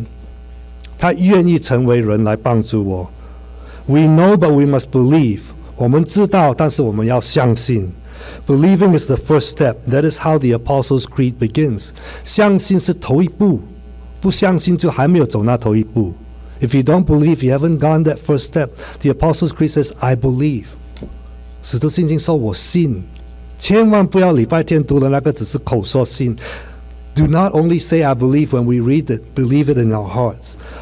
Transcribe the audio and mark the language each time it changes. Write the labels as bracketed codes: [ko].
[zh] 我们敬拜主耶稣因为他是神，我们感谢他因为他是人，他愿意成为人来帮助我。 [en] We know, but we must believe. [zh] 我们知道，但是我们要相信。 [en] Believing is the first step. That is how the Apostles' Creed begins. [zh] 相信是头一步，不相信就还没有走那头一步。 [en] If you don't believe, you haven't gone that first step. The Apostles' Creed says, I believe. [zh] 使徒信经说我信。千万不要礼拜天读的那个只是口说信。 [en] Do not only say I believe when we read it, believe it in our hearts.